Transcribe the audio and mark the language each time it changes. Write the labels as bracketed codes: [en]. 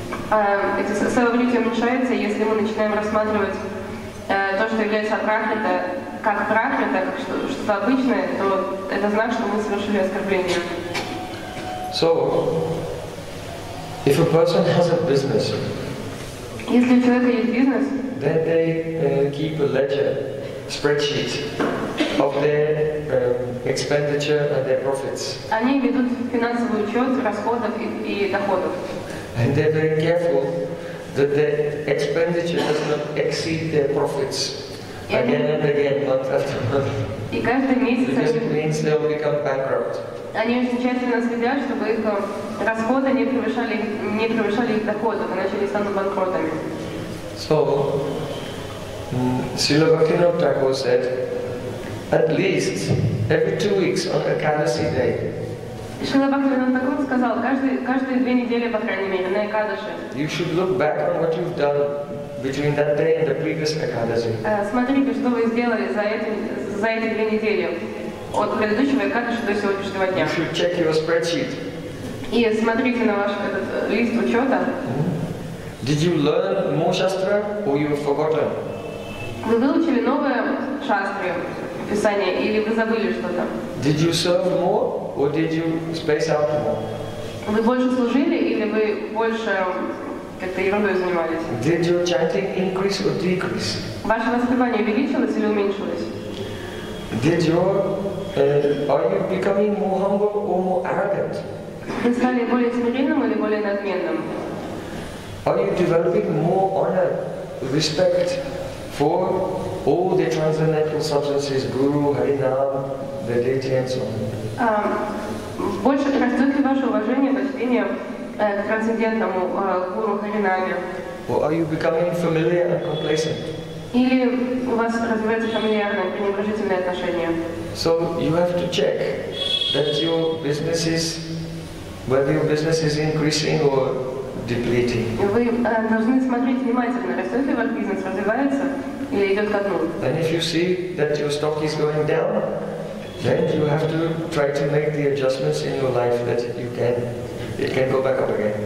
[ru] Но если севабрити уменьшается, если мы начинаем рассматривать то, что является апракрита, как прахрита, как что-то обычное, то это знак, что мы совершили оскорбление. [en] So, if a person has a business, [ru] если у человека есть бизнес, [en] then they keep a ledger, spreadsheet of their expenditure and their profits. [ru] Они ведут финансовый учет расходов и доходов. [en] And they're very careful that their expenditure does not exceed their profits. Again and again, month after month. [ru] И каждый месяц. [en] Because it means they will become bankrupt. [ru] Они очень тщательно следят, чтобы их расходы не превышали их доходов, иначе они станут банкротами. [en] So, Srila Bhaktivinoda Thakur said, at least every 2 weeks on a Ekadasi day. [ru] Srila Bhaktivinoda Thakur сказал, каждые две недели, по крайней мере, на Экадаши. [en] You should look back on what you've done between that day and the previous Ekadasi. [ru] Смотрите, что вы сделали за эти две недели. От предыдущего Экадаши до сегодняшнего дня. [en] You should check your spreadsheet. [ru] И смотрите на ваш лист учета. [en] Did you learn more shastra or you have forgotten? [ru] Вы выучили новое шастрию, писание, или вы забыли что-то? [en] Did you serve more or did you space out more? [ru] Вы больше служили или вы больше как-то ерундой занимались? [en] Did your chanting increase or decrease? [ru] Ваше воспевание увеличилось или уменьшилось? [en] Did your are you becoming more humble or more arrogant? [ru] Вы стали более смиренным или более надменным? [en] Are you developing more honor, respect for all the transcendental substances, Guru, Harinam, the deity and so on? [ru] Больше растет ли ваше уважение, почтение к трансцендентному Гуру Харинаме? [en] Or are you becoming familiar and complacent? [ru] Или у вас развивается фамильярное, пренебрежительное отношение? [en] So you have to check that your business is, whether your business is increasing or depleting. [ru] Вы должны смотреть внимательно, растет ли ваш бизнес, развивается или идет ко дну. [en] And if you see that your stock is going down, then you have to try to make the adjustments in your life that you can, it can go back up again.